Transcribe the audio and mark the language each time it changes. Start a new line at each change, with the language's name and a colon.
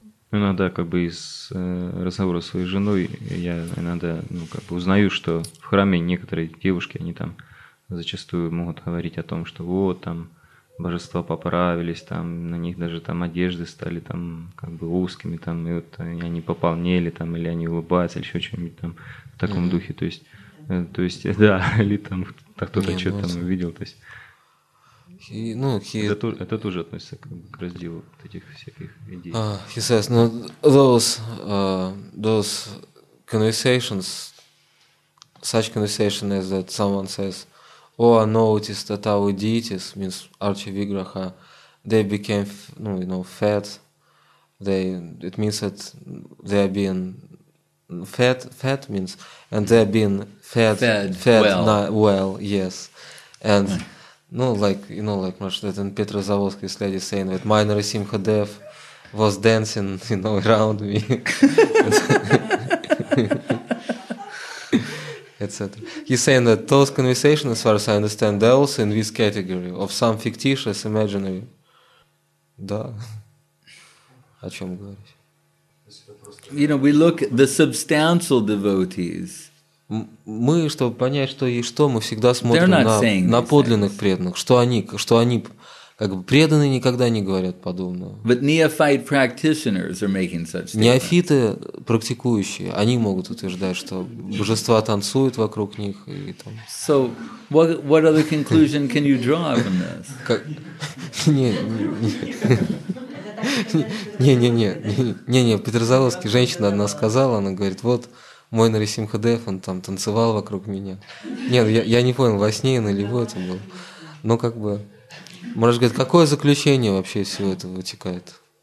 Russian: Иногда, как бы из разговора с своей женой, я иногда, ну, как бы узнаю, что в храме некоторые девушки, они там зачастую могут говорить о том, что вот там божества поправились, там на них даже там одежды стали там как бы узкими, там, и вот они пополнели, там, или они улыбаются, или еще что-нибудь там в таком mm-hmm. духе. То есть, да, или там кто-то что-то там увидел. То есть. Это тоже относится к разделу вот этих всяких идей.
English: He says, no, those conversations, such conversation is that someone says, oh, I noticed that our deities, means Archa Vigraha, they became, you know, fat. It means that they are being fat means, and they are being fed well. Well, yes, and. Mm-hmm. No, like, you know, like much that in Petrozavodsk this lady saying that my Narasimha Dev was dancing, you know, around me. Etc. He's saying that those conversations, as far as I understand, they're also in this category of some fictitious imaginary.
Russian: Да. О чем говорить?
English: You know, we look at the substantial devotees.
Russian: Мы, чтобы понять, что есть что, мы всегда смотрим на подлинных преданных, что они как бы преданные никогда не говорят подобного.
English: But neophyte practitioners are making such statements.
Russian: Неофиты, практикующие, они могут утверждать, что божества танцуют вокруг них и там.
English: So what other conclusion can you draw from this?
Russian: Не, в Петрозаводске женщина одна сказала, она говорит, вот. Мой Нарисимхадев, он там танцевал вокруг меня. Нет, я не понял, во сне или его это было. Но как бы... Мураш говорит, какое заключение вообще из всего этого вытекает?